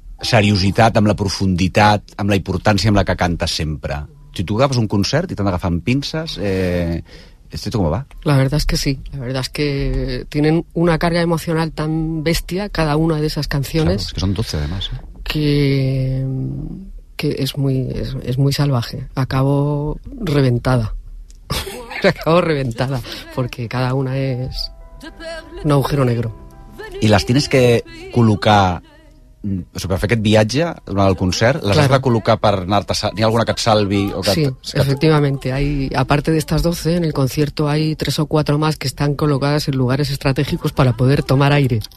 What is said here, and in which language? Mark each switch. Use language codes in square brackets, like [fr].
[ca] seriositat, amb la profunditat, amb la importància amb la que cantes sempre. Si tu agafes un concert i t'han d'agafar amb pinces, [es] ¿esto cómo va? La verdad es que sí. La verdad es que tienen una carga emocional tan bestia cada una de esas canciones. Claro, es que son 12 además. ¿Eh? Que es muy salvaje. Acabo reventada. Acabo reventada porque cada una es un agujero negro. Y las tienes que colocar... [ca] O sigui, per fer aquest viatge durant el concert, les claro. has de col·locar per anar-te... N'hi ha alguna que et salvi? O que sí, efectivament. [es] Aparte de estas 12, en el concierto hay 3 o 4 más que están colocadas en lugares estratégicos para poder tomar aire.